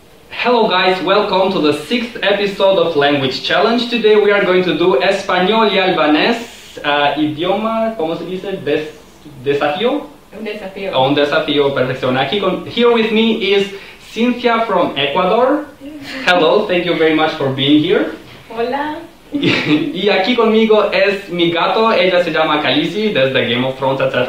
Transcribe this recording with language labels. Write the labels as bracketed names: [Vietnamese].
[English] Hello guys, welcome to the 6th episode of Language Challenge. Today we are going to do [Spanish] Español y Albanés, idioma, ¿cómo se dice? Desafío? Un desafío. Un desafío, perfección. [English] Here with me is Cynthia from Ecuador. Hello, thank you very much for being here. [Spanish] Hola. Y aquí conmigo es mi gato, ella se llama Khaleesi, desde Game of Thrones, etc.